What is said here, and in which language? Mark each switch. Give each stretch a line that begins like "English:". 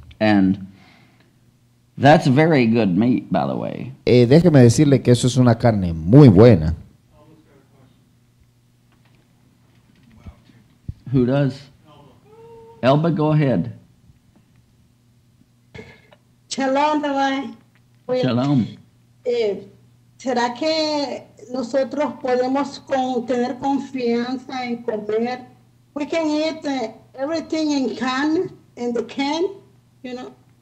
English: And that's very good meat, by the way.
Spanish: Déjeme decirle que eso es una carne muy buena.
English: Who does? Elba, go ahead.
Hebrew: Shalom,
Spanish: pues, Shalom. ¿Será que nosotros podemos tener confianza en comer?
English: We can eat everything in the can, you know.